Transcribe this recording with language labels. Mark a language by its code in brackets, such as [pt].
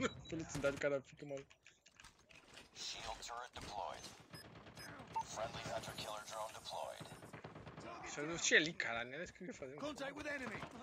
[pt] Velocidade, cara, fica mal. [en] Shield turret deployed. Friendly hunter killer drone deployed. [pt] Isso eu não tinha ali, cara, né? Isso que eu ia fazer. [en] Contact with enemy.